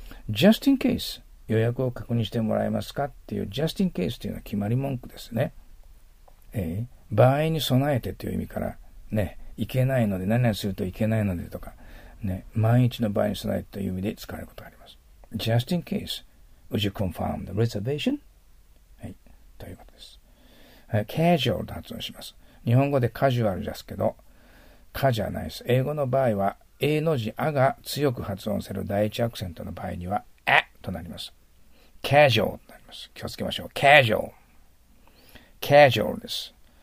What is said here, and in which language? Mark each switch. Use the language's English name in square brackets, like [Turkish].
[English] Just in case。 [Japanese] 予約を確認してもらえますかっていう Just in case っていうのは決まり文句ですね。場合に備えてという意味から、ね、いけないので、何々するといけないのでとか、ね、万一の場合に備えてという意味で使われることがあります。 [English] Just in case, would you confirm the reservation? [Japanese] はい、ということです。casual と発音します。日本語でカジュアルですけど、カじゃないです。英語の場合は、A の字、A が強く発音する第一アクセントの場合には、A となります。 casual となります。気をつけましょう。casual。 casual です。